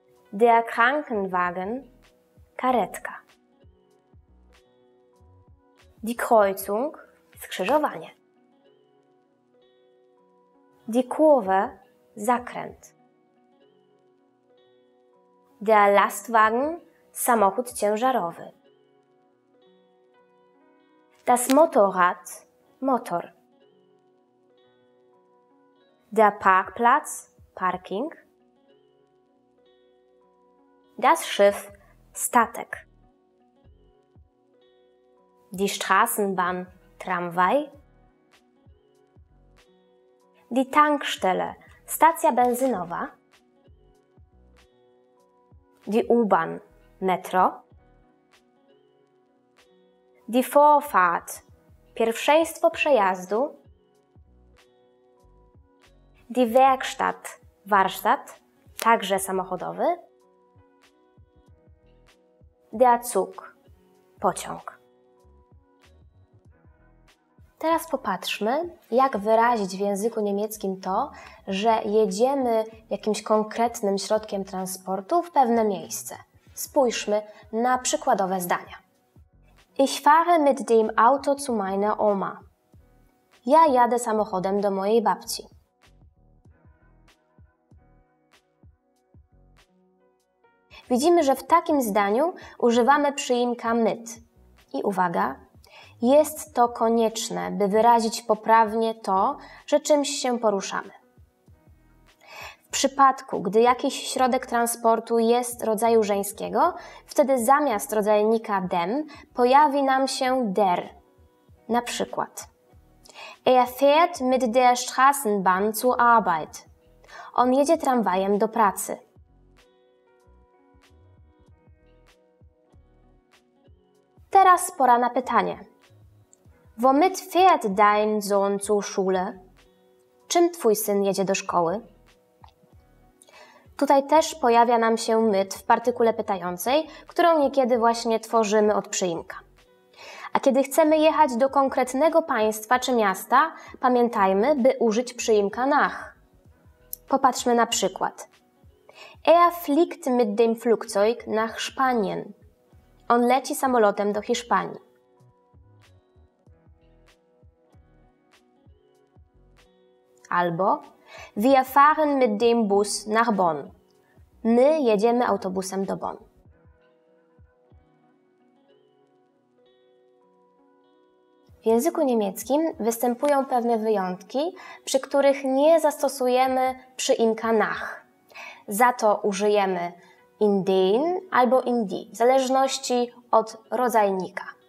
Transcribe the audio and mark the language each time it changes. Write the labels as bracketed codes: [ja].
[de] Der Krankenwagen, [pl] karetka. [de] Die Kreuzung, [pl] skrzyżowanie. [de] Die Kurve, [pl] zakręt. [de] Der Lastwagen, [pl] samochód ciężarowy. [de] Das Motorrad, [pl] motor. [de] Der Parkplatz, parking. Das Schiff, [pl] statek. [de] Die Straßenbahn, [pl] tramwaj. [de] Die Tankstelle, [pl] stacja benzynowa. [de] Die U-Bahn, metro. Die Vorfahrt, [pl] pierwszeństwo przejazdu. [de] Die Werkstatt, [pl] warsztat, także samochodowy. [de] Der Zug, [pl] pociąg. Teraz popatrzmy, jak wyrazić w języku niemieckim to, że jedziemy jakimś konkretnym środkiem transportu w pewne miejsce. Spójrzmy na przykładowe zdania. [de] Ich fahre mit dem Auto zu meiner Oma. [pl] Ja jadę samochodem do mojej babci. Widzimy, że w takim zdaniu używamy przyimka mit. I uwaga, jest to konieczne, by wyrazić poprawnie to, że czymś się poruszamy. W przypadku, gdy jakiś środek transportu jest rodzaju żeńskiego, wtedy zamiast rodzajnika dem pojawi nam się der. Na przykład. [de] Er fährt mit der Straßenbahn zur Arbeit. [pl] On jedzie tramwajem do pracy. Teraz pora na pytanie. [de] Womit fährt dein Sohn zur Schule? [pl] Czym twój syn jedzie do szkoły? Tutaj też pojawia nam się mit w partykule pytającej, którą niekiedy właśnie tworzymy od przyimka. A kiedy chcemy jechać do konkretnego państwa czy miasta, pamiętajmy, by użyć przyimka nach. Popatrzmy na przykład. [de] Er fliegt mit dem Flugzeug nach Spanien. [pl] On leci samolotem do Hiszpanii. Albo [de] wir fahren mit dem Bus nach Bonn. [pl] My jedziemy autobusem do Bonn. W języku niemieckim występują pewne wyjątki, przy których nie zastosujemy przyimka nach. Za to użyjemy in den albo in die, w zależności od rodzajnika.